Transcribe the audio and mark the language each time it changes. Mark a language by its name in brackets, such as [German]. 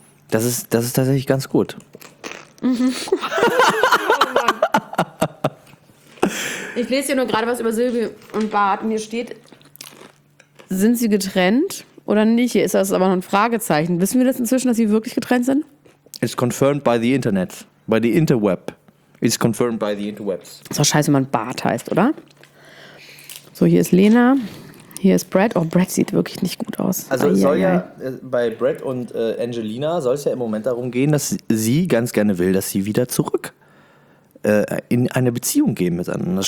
[German] Das ist tatsächlich ganz gut. Mhm. Ich lese hier nur gerade was über Silvi und Bart. Und hier steht, sind sie getrennt oder nicht? Hier ist das aber noch ein Fragezeichen. Wissen wir das inzwischen, dass sie wirklich getrennt sind? [English] It's confirmed by the Internet. By the interweb. It's confirmed by the interwebs. [German] Das ist doch scheiße, wenn man Bart heißt, oder? So, hier ist Lena. Hier ist Brad. Oh, Brad sieht wirklich nicht gut aus. Also es soll ja bei Brad und Angelina soll es ja im Moment darum gehen, dass sie ganz gerne will, dass sie wieder zurück in eine Beziehung gehen miteinander.